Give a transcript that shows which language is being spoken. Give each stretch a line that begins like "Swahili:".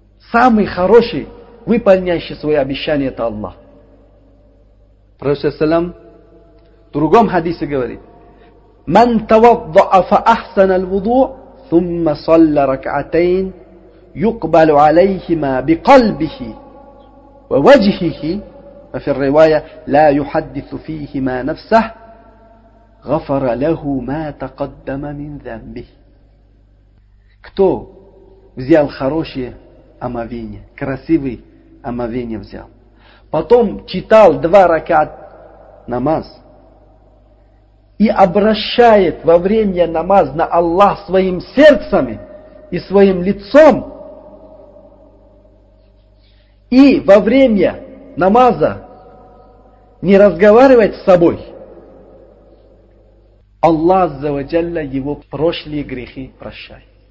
Russian: Самый хороший, выполняющий свои обещания, это Аллах. Пророк саллям в другом хадисе говорит:
Arabic: «Ман тавадда'а фа ахсана аль-вуду', сумма салля рак'атейн, юкбалу алейхима би калбихи». ووجهه وفي الرواية لا يحدث فيهما نفسه غفر له ما تقدم من ذنبه.
Russian: Кто взял хорошее омовение, красивое омовение взял, потом читал два ракат намаз и обращает во время намаз на Аллах своим сердцем и своим лицом, и во время намаза не разговаривает с собой, Аллах Азза ва Джалла его прошлые грехи прощает.